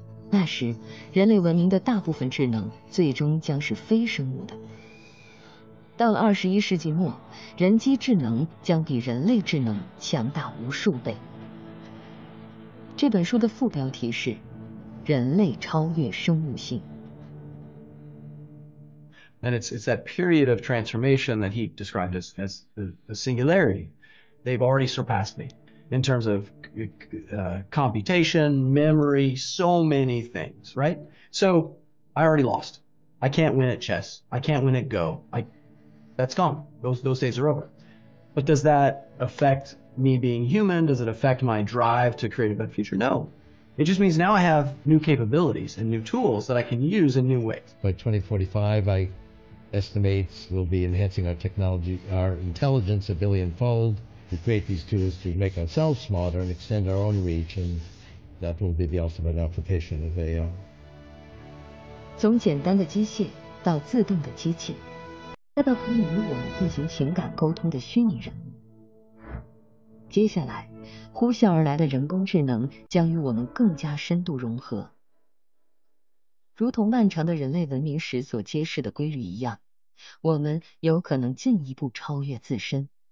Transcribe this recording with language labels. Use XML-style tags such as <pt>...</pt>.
<zh>那时人类文明的大部分智能最终将是非生物的。到了21世纪末，人机智能将比人类智能强大无数倍。这本书的副标题是人类超越生物性。</zh> <en>And it's that period of transformation that he described as a singularity. They've already surpassed me. In terms of computation, memory, so many things, right? So I already lost. I can't win at chess. I can't win at Go. That's gone. Those days are over. But does that affect me being human? Does it affect my drive to create a better future? No. It just means now I have new capabilities and new tools that I can use in new ways. By 2045, I estimate we'll be enhancing our technology, our intelligence a billionfold. We create these tools to make ourselves smarter and extend our own reach, and that will be the ultimate application of AI.</en> <zh>从简单的机械到自动的机器，再到可以与我们进行情感沟通的虚拟人物。接下来，呼啸而来的人工智能将与我们更加深度融合。如同漫长的人类文明史所揭示的规律一样，我们有可能进一步超越自身。</zh>